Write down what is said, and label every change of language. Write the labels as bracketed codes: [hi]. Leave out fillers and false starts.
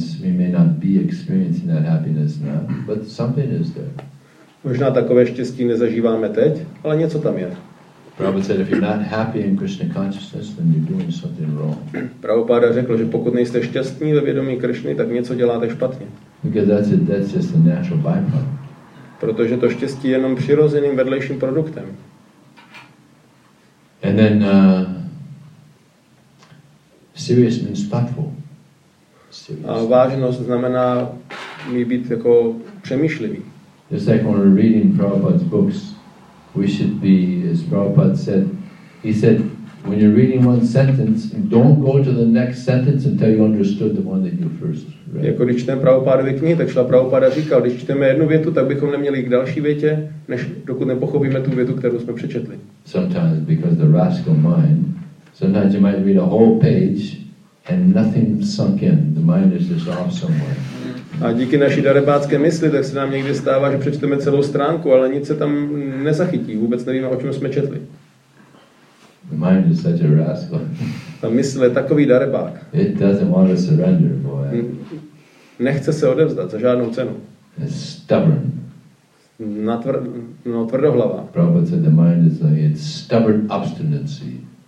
[en] We may not be experiencing that happiness now, but something is there. [cs] Možná takové štěstí nezažíváme teď, ale něco tam je. [en] Prabhupada said, if you're not happy in Krishna consciousness, then you're doing something wrong. [cs] Prabhupada řekl, že pokud nejste šťastní ve vědomí Krishny, tak něco děláte špatně. [en] Because that's just a natural byproduct. [cs] Protože to štěstí je jenom přirozeným vedlejším produktem. [en] And then serious means thoughtful. [cs] A vážnost znamená mít být jako přemýšlivý. [en] Just like when we're reading Prabhupada's books, we should be, as Prabhupada said, he said, when you're reading one sentence, don't go to the next sentence until you understood the one that you first read. [cs] Jako když čteme Prabhupádovy knihy, tak Šla Prabhupáda říkal, když čteme jednu větu, tak bychom neměli k další větě, než dokud nepochopíme tu větu, kterou jsme přečetli. [en] Sometimes because the rascal mind, sometimes you might read a whole page and nothing sunk in. The mind is just off somewhere. [cs] A díky naší darebácké mysli, tak se nám někdy stává, že přečteme celou stránku, ale nic se tam nezachytí. Vůbec nevíme, o čem jsme četli. [en] The mind is such a rascal. [cs] Ta mysl je takový darebák. [en] It doesn't want to surrender, boy. [cs] Nechce se odevzdat za žádnou cenu. [en] It's stubborn. [cs] Tvrdohlava. [en] Prabhupada said the mind is like it's stubborn obstinacy.